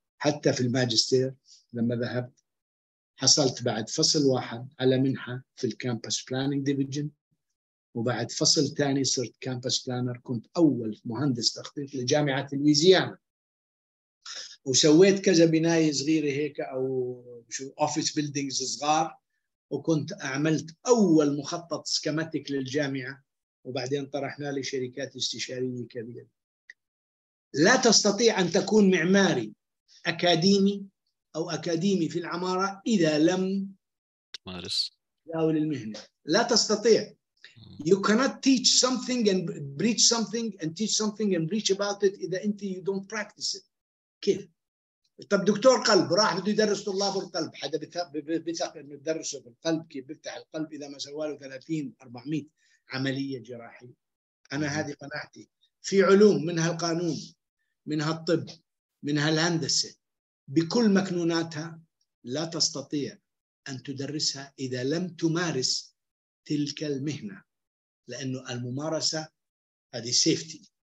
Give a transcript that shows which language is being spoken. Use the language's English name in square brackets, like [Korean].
[Arabic] حتى في الماجستير لما ذهبت حصلت بعد فصل واحد على منحة في الكامبس بلانينج ديفيجن، وبعد فصل ثاني صرت كامبس بلانر، كنت أول مهندس تخطيط لجامعة لويزيانا، وسويت كذا بناية صغيرة هيك أو شو أوفيس بيلدينجز صغار، وكنت عملت أول مخطط سكيماتيك للجامعة، وبعدين طرحناه لشركات استشارية كبيرة. لا تستطيع أن تكون معماري أكاديمي أو أكاديمي في العمارة إذا لم تمارس تداول المهنة. لا تستطيع. [English] You cannot teach something and preach something and teach something and preach about it [Arabic] إذا أنت [English] you don't practice it. [Arabic] كيف؟ طب دكتور قلب راح بده يدرس طلاب القلب، حدا بيثق انه يدرسه في القلب كيف بيفتح القلب اذا ما سوى له 30 400 عمليه جراحيه؟ انا هذه قناعتي في علوم، منها القانون، منها الطب، منها الهندسه، بكل مكنوناتها لا تستطيع ان تدرسها اذا لم تمارس تلك المهنه، لانه الممارسه هذه سيفتي.